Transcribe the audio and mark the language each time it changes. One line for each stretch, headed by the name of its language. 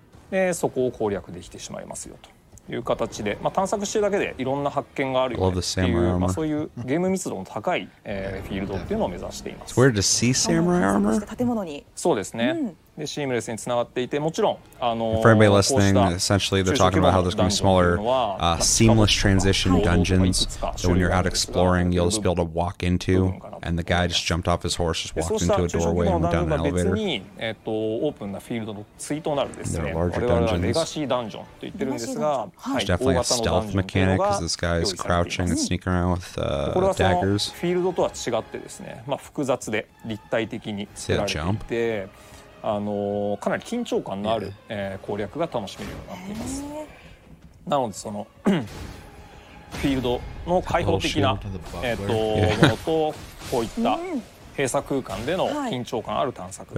Japanese: でそこを攻略できてしまいますよという形で、まあ、探索しているだけでいろんな発見があるよねっていう、まあ、そういうゲーム密度の高い、フィールドっていうのを目指しています。
English: Where to see samurai armor?
Japanese: 建物に。そうですね。でシームレスにつながっていて、もちろん、
English: For anybody listening, essentially they're talking about how there's going to be smaller, seamless transition dungeons that when you're out exploring, you'll just be able to walk into, and the guy just jumped off his horse, just walked into a doorway and went down an elevator.
Japanese: オープンなフィールドの対となるですね。我々はレガシーダンジョンと言ってるんですが、
English: There's definitely a stealth mechanic because this guy is crouching and sneaking around with daggers.
Japanese: フィールドとは違ってですね、まあ複雑で立体的に作られていて。かなり緊張感のある、攻略が楽しめるようになっています。なのでそのフィールドの開放的な、ものとこういった閉鎖空間での緊張感ある探索、